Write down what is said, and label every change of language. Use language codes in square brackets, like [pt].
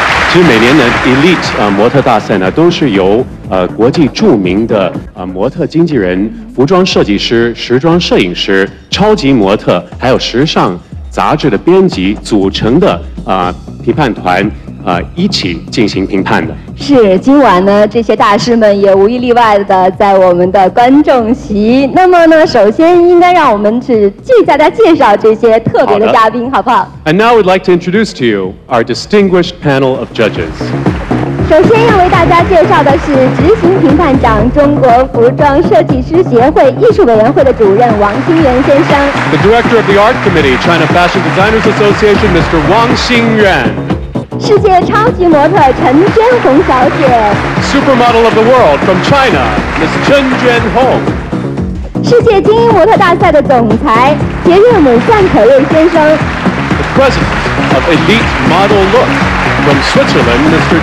[zh] 其实每年的 Elite 模特大赛呢，都是由国际著名的模特经纪人、服装设计师、时装摄影师、超级模特，还有时尚杂志的编辑组成的评判团一起进行评判的。是，今晚呢，这些大师们也无一例外的在我们的观众席。那么呢，首先应该让我们去替大家介绍这些特别的嘉宾，好不好 [en] ？And now we'd like to introduce to you our distinguished panel of judges. [zh] 首先要为大家介绍的是执行评判长、中国服装设计师协会艺术委员会的主任王新元先生。 [en] The director of the Art Committee, China Fashion Designers Association, Mr. Wang Xingyuan. [zh] 世界超级模特陈娟红小姐 [en] Supermodel of the world from China, Ms. Chen Jianhong [zh] 世界精英模特大赛的总裁杰瑞姆范可瑞先生 [en] The president of Elite Model Look from Switzerland, Mr.